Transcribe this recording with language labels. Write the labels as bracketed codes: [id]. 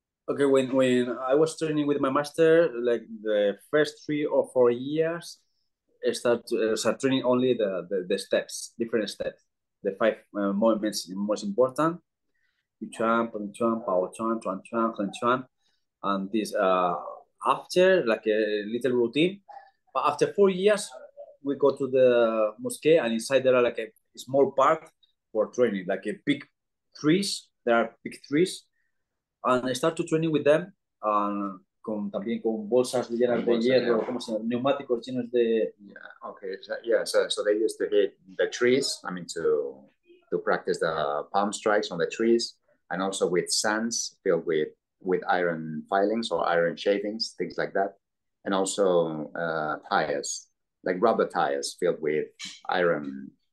[en] Okay, when I was training with my master, like the first 3 or 4 years, I started training only the steps, different steps, the five movements most important, Yuchuan, Peng Chuan, Pao Chuan, Chuan Chuan, Heng Chuan, and this after, like a little routine. But after 4 years, we go to the mosque, and inside there are like a small part for training, like a big trees. There are big trees, and I start to training with them. [es] Con también con bolsas llenas de hierro, como se llama, neumáticos llenos de. [en] Yeah. Okay. So they used to hit the trees. I mean to practice the palm strikes on the trees, and also with sands filled with iron filings or iron shavings, things like that, and also tires, like rubber tires filled with iron.